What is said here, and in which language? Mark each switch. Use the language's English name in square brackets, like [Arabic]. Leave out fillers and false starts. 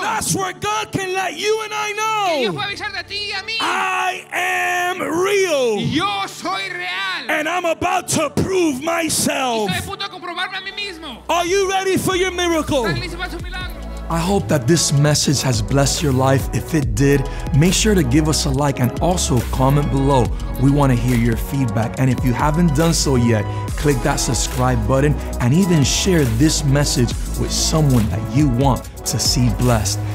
[English] That's where God can let you and I know. [Spanish] Que Dios puede avisarte a ti y a mí. [English] I am real. [Spanish] Yo soy real. [English] And I'm about to prove myself. [Spanish] Y estoy a punto de comprobarme a mí mismo. [English] Are you ready for your miracle? [Spanish] ¿Estás listo para tu milagro? [English] I hope that this message has blessed your life. If it did, make sure to give us a like and also comment below. We want to hear your feedback. And if you haven't done so yet, click that subscribe button and even share this message with someone that you want to see blessed.